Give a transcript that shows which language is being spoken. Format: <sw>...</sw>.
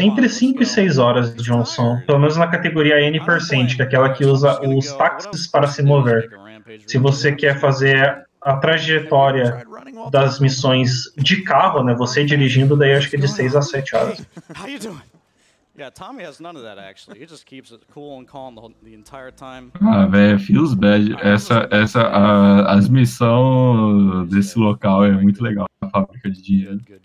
<pt>Entre 5 e 6 horas, Johnson. Pelo menos na categoria N%, que é aquela que usa os táxis para se mover. Se você quer fazer a trajetória das missões de carro, né? Você dirigindo, daí acho que é de 6 a 7 horas.</pt> <en>Tommy has none of that actually. He just keeps it cool and calm the entire time.</en> <pt>Ah, velho,</pt> <en>feels bad.</en> <pt>Essa as missão desse local é muito legal, a fábrica de dinheiro.</pt>